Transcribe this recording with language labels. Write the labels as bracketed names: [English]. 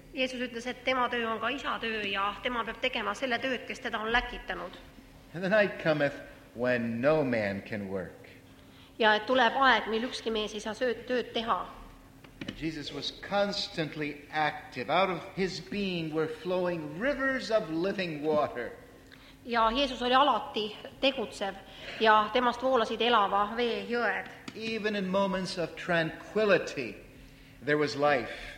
[Estonian] Jeesus ütles, et tema töö on ka isa töö ja tema peab tegema selle tööd, kes teda on läkitanud. [English] And the night cometh when no man can work. [Estonian] Ja et tuleb aeg, mil ükski mees ei saa tööd teha. [English] And Jesus was constantly active. Out of his being were flowing rivers of living water. [Estonian] Ja Jeesus oli alati tegutsev ja temast voolasid elava vee jõed. [English] Even in moments of tranquility, there was life.